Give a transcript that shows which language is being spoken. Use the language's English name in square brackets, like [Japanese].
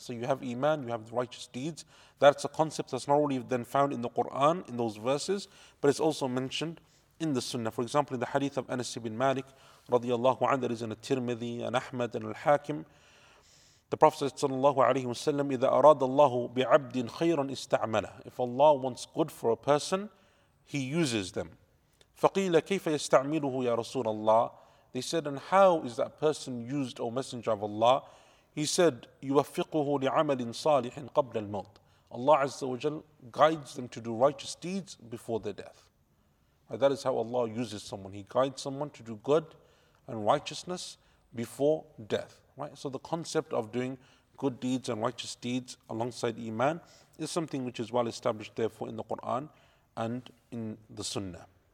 [English] So you have iman, you have righteous deeds. That's a concept that's not only then found in the Quran, in those verses, but it's also mentioned in the Sunnah. For example, in the hadith of Anas ibn Malik, radiallahu anhu, that is in At-Tirmidhi, and Ahmad, and Al-Hakim, the Prophet sallallahu alaihi wasallam, [Arabic] إذا أراد الله بعبد خيرا استعمله. [English] If Allah wants good for a person, He uses them. [Arabic] فقيل كيف يستعمله يا رسول الله. [English] They said, and how is that person used, O Messenger of Allah? He said, [Arabic] يوفقه لعمل صالح قبل الموت. [English] Allah Azza wa Jal guides them to do righteous deeds before their death. And that is how Allah uses someone. He guides someone to do good and righteousness before death. Right, so the concept of doing good deeds and righteous deeds alongside iman is something which is well established, therefore, in the Quran and in the Sunnah.